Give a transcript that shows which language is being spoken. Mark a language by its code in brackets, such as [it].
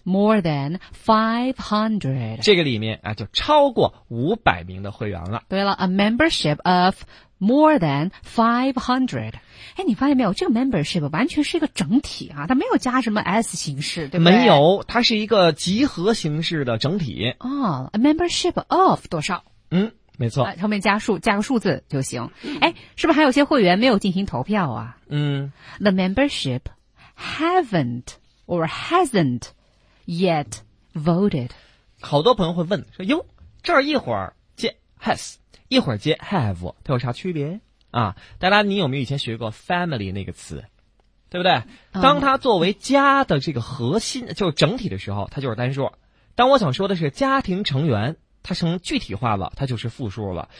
[en] More than 500。 [zh] 这个里面啊，就超过500名的会员了。对了 [en] ，a membership of more than 500。 [zh] 哎，你发现没有？这个 membership 完全是一个整体啊，它没有加什么 S 形式，对不对？没有，它是一个集合形式的整体。 [en] 哦 ，a membership of [zh] 多少？嗯。没错，后面加数，加个数字就行。哎，是不是还有些会员没有进行投票啊？嗯 [en] ，The membership haven't or hasn't yet voted。 [zh] 好多朋友会问说：“哟，这儿一会儿接 has， 一会儿接 have， 它有啥区别啊？” 大家，你有没有以前学过 family 那个词？对不对？当它作为家的这个核心，就是整体的时候，它就是单数。当我想说的是家庭成员。它成具体化了，它就是复数了。